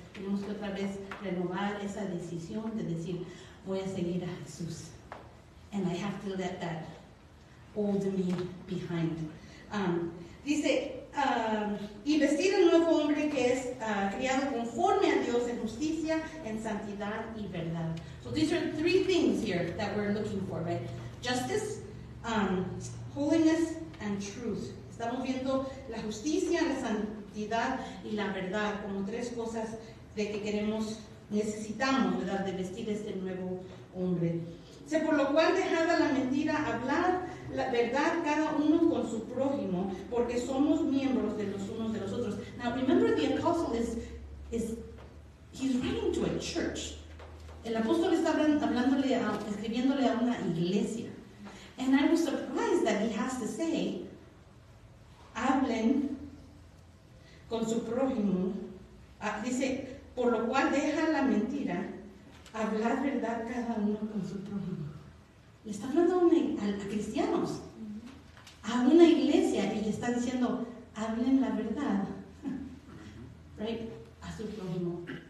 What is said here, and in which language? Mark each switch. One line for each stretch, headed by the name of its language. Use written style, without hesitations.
Spanish: Tenemos que otra vez renovar esa decisión de decir, voy a seguir a Jesús.
English: And I have to let that old me behind.
Spanish: Y vestir el nuevo hombre que es criado conforme a Dios en justicia, en santidad y verdad.
English: So these are three things here that we're looking for, right? Justice, holiness, and truth.
Spanish: Estamos viendo la justicia, la santidad y la verdad como tres cosas de que queremos, necesitamos, ¿verdad?, de vestir este nuevo hombre. Dice, por lo cual dejada la mentira, hablad la verdad cada uno con su prójimo, porque somos miembros de los unos de los otros.
English: Now remember, the apostle he's writing to a church.
Spanish: El apóstol está escribiéndole a una iglesia.
English: And I was surprised that he has to say,
Spanish: hablen con su prójimo. Dice, por lo cual deja la mentira, hablad verdad cada uno con su prójimo. Le está hablando a cristianos, a una iglesia, y le está diciendo, hablen la verdad, right, a su prójimo.